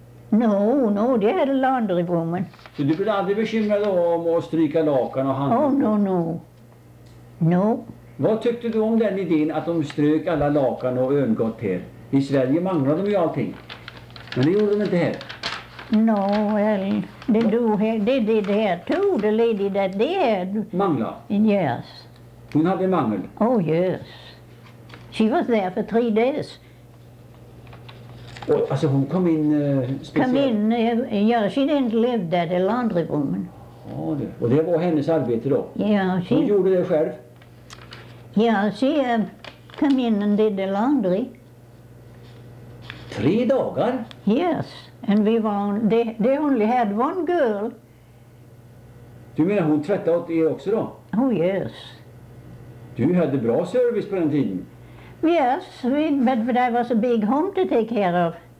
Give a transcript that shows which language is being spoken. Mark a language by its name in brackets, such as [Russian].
[Swedish] No, det är en [English] laundry woman. [Swedish] Så du blev aldrig bekymrad om att stryka lakan och handen? [English] Oh, no. No. [Swedish] Vad tyckte du om den idén att de strök alla lakan och öngott här? I Sverige manglade de ju allting. Men det gjorde de inte här. [English] No, well, they did here too, the lady that did. [Swedish] Mangla? [English] Yes. [Swedish] Hon hade mangel? [English] Oh, yes. She was there for 3 days. [Swedish] Oh, alltså hon kom in speciellt? Kom in, [English] yeah, she didn't live there, the laundry woman. [Swedish] Oh, det. Och det var hennes arbete då? [English] Yeah, [Swedish] she... Hon gjorde det själv? [English] Yeah, she came in and did the laundry. [Swedish] 3 dagar? [English] Yes. And we were on, they only had one girl. [Swedish] Du menar hon tvättade åt er också då? [English] Oh yes. [Swedish] Du hade bra service på den tiden. [English] Yes, but there was a big home to take care of.